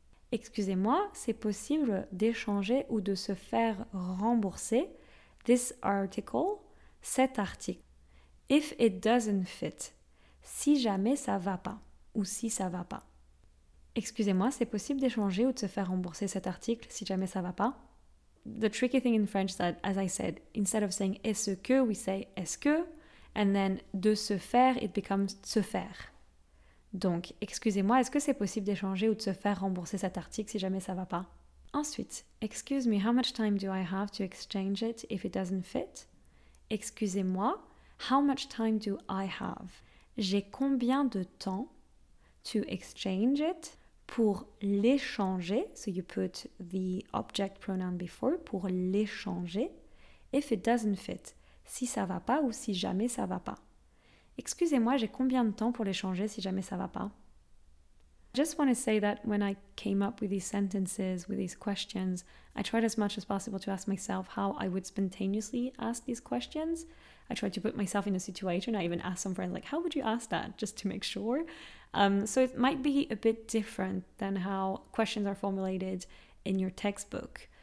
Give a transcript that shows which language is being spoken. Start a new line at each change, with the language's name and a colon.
French: Excusez-moi, c'est possible d'échanger ou de se faire rembourser
English: this article,
French: cet article.
English: If it doesn't fit,
French: si jamais ça va pas ou si ça va pas. Excusez-moi, c'est possible d'échanger ou de se faire rembourser cet article si jamais ça va pas?
English: The tricky thing in French is that, as I said, instead of saying
French: est-ce que,
English: we say est-ce que, and then
French: de se faire,
English: it becomes
French: se faire. Donc, excusez-moi, est-ce que c'est possible d'échanger ou de se faire rembourser cet article si jamais ça va pas? Ensuite,
English: excuse me, how much time do I have to exchange it if it doesn't fit?
French: Excusez-moi,
English: how much time do I have?
French: J'ai combien de temps
English: to exchange it.
French: Pour l'échanger,
English: so you put the object pronoun before,
French: pour l'échanger,
English: if it doesn't fit,
French: si ça va pas ou si jamais ça va pas. Excusez-moi, j'ai combien de temps pour l'échanger si jamais ça va pas?
English: I just want to say that when I came up with these sentences, with these questions, I tried as much as possible to ask myself how I would spontaneously ask these questions. I tried to put myself in a situation. I even asked some friends, like, how would you ask that? Just to make sure. So it might be a bit different than how questions are formulated in your textbook.